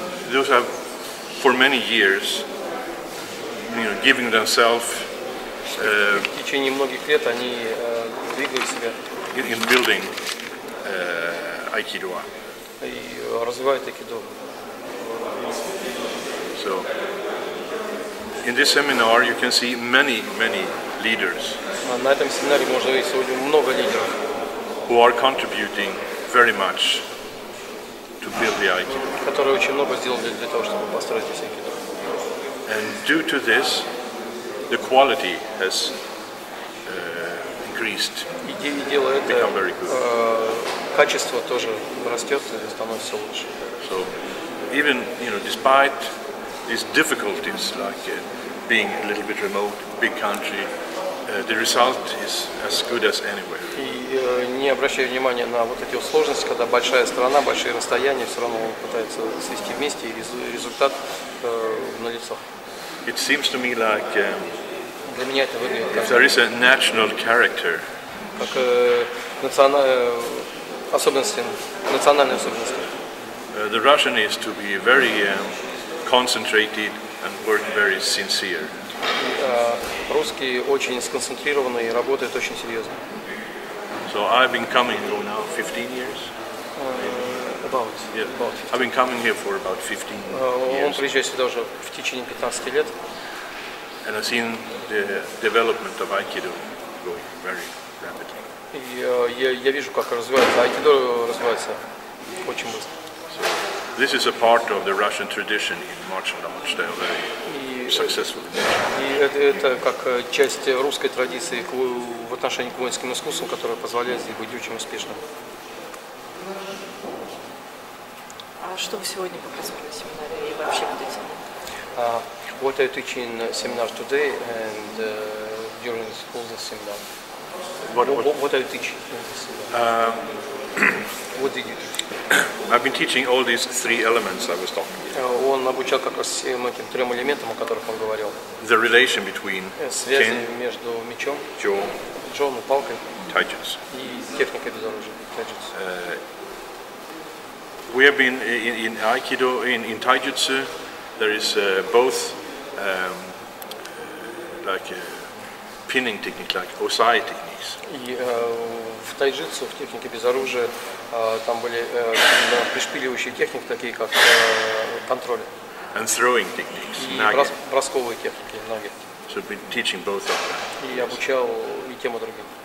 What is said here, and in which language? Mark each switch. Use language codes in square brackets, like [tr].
[en] Those have for many years, you know, giving themselves. [ru] В течение многих лет они двигали себя. [en] In building Aikido. [ru] И развивают Aikido. [en] So, in this seminar, you can see many, many leaders. [ru] На этом семинаре можно видеть сегодня много лидеров. [en] Who are contributing very much to build the Aikido. [ru] Которые очень много сделали для того, чтобы построить здесь Aikido. [en] And due to this, the quality has increased. Become very good. [ru] Качество тоже растет и становится лучше. [en] So, even, you know, despite these difficulties, like being a little bit remote, big country, the result is as good as anywhere. [ru] Не обращая внимания на вот эти сложности, когда большая страна, большие расстояния, все равно он пытается свести вместе, и результат налицо. [en] It seems to me like [ru] для меня это выглядит, [en] if there is a national character, [ru] как национальные особенности. [en] The Russian is to be very concentrated and work very sincere. [ru] Русские очень сконцентрированы и работают очень серьезно. [en] So I've been coming here now 15 years. I've been coming here for about 15 years. [ru] Он приезжает сюда уже в течение 15 лет. [en] And I've seen the development of Aikido going very rapidly. [ru] Я вижу, как развивается Aikido, развивается очень быстро. [en] So this is a part of the Russian tradition in martial arts. They are very successful. [ru] И это как часть русской традиции в отношении к воинским искусствам, которая позволяет здесь быть очень успешным. Что вы сегодня показывали на семинаре и вообще будете? [en] What are you teaching seminar today and during all the seminar? What are you teaching in the seminar? What did you teach? I've been teaching all these three elements I was talking about. [ru] Он обучал как раз всем этим трем элементам, о которых он говорил. [en] The relation between [ru] связи между мечом, джон и палкой, тайджутсу, и техникой безоружия, тайджутсу. [en] We have been in Aikido, in Taijutsu, there is both like pinning technique, like osai techniques. [ru] И в Taijutsu, в технике без оружия, там были пришпиливающие техники, такие как контроль. [en] And throwing techniques, [ru] наги. И бросковые техники, наги. [en] So been teaching both of them. [ru] И обучал и тем, и другим.